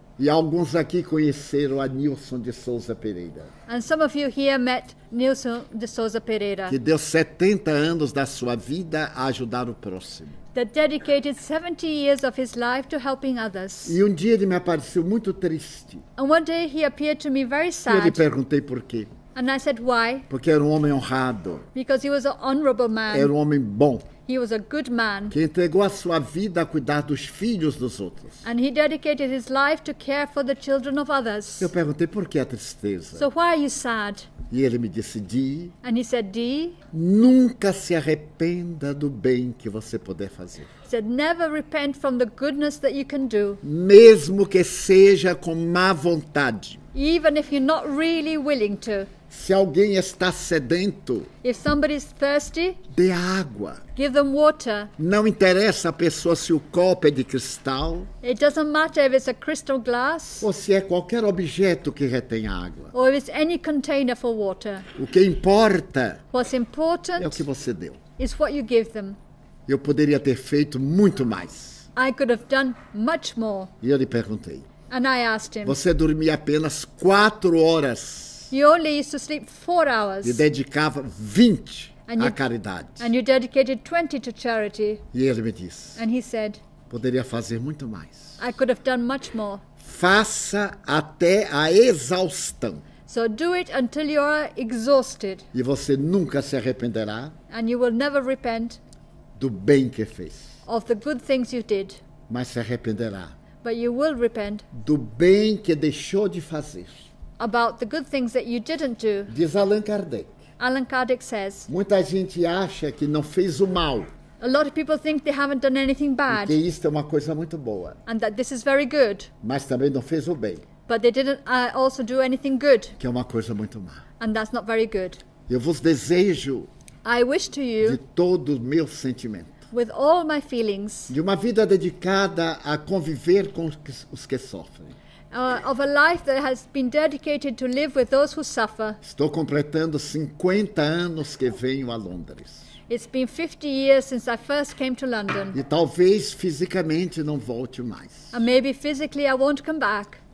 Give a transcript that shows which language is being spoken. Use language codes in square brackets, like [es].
[pt] E alguns aqui conheceram a Nilson de Souza Pereira. [en] And some of you here met Nilson de Souza Pereira. [pt] Que deu 70 anos da sua vida a ajudar o próximo. [en] That dedicated 70 years of his life to helping others. [pt] E um dia ele me apareceu muito triste. [en] And one day he appeared to me very sad. [pt] E eu lhe perguntei por quê. [en] And I said, why? [pt] Porque era um homem honrado. [en] Because he was an honorable man. [pt] Era um homem bom. [en] He was a good man. [pt] Que entregou a sua vida a cuidar dos filhos dos outros. [en] And he dedicated his life to care for the children of others. [pt] Eu perguntei, por que a tristeza? [en] So why are you sad? [pt] E ele me disse, Dee. [en] And he said, Dee. [pt] Nunca se arrependa do bem que você puder fazer. [en] He said, never repent from the goodness that you can do. [pt] Mesmo que seja com má vontade. [en] Even if you're not really willing to. [pt] Se alguém está sedento, [en] if somebody's thirsty, [pt] dê água. [en] Give them water. [pt] Não interessa a pessoa se o copo é de cristal. [en] It doesn't matter if it's a crystal glass. [pt] Ou se é qualquer objeto que retém água. [en] Or if it's any container for water. [pt] O que importa? [en] What's important? [pt] É o que você deu. [en] Is what you give them. [pt] Eu poderia ter feito muito mais. [en] I could have done much more. [pt] E eu lhe perguntei. [en] And I asked him. [pt] Você dormia apenas 4 horas. [en] You only used to sleep 4 hours. [pt] E dedicava 20 à caridade. [en] And you dedicated 20 to charity. [pt] E ele me disse. [en] And he said. [pt] Poderia fazer muito mais. [en] I could have done much more. [pt] Faça até a exaustão. [en] So do it until you are exhausted. [pt] E você nunca se arrependerá. [en] And you will never repent. [pt] Do bem que fez. [en] Of the good things you did. [pt] Mas se arrependerá. [en] But you will repent. [pt] Do bem que deixou de fazer. [en] About the good things that you didn't do. [pt] Diz Allan Kardec. [en] Allan Kardec says. [pt] Muita gente acha que não fez o mal. [en] A lot of people think they haven't done anything bad. [pt] E que isto é uma coisa muito boa. [en] And that this is very good. [pt] Mas também não fez o bem. [en] But they didn't also do anything good. [pt] Que é uma coisa muito má. [en] And that's not very good. [pt] Eu vos desejo. [en] I wish to you. [pt] De todo meu sentimento. [en] With all my feelings. [pt] De uma vida dedicada a conviver com os que sofrem. [en] Of a life that has been dedicated to live with those who suffer. [pt] Estou completando 50 anos que venho a Londres. [en] It's been 50 years since I first came to London. [pt] E talvez fisicamente não volte mais. [en] And maybe physically I won't come back.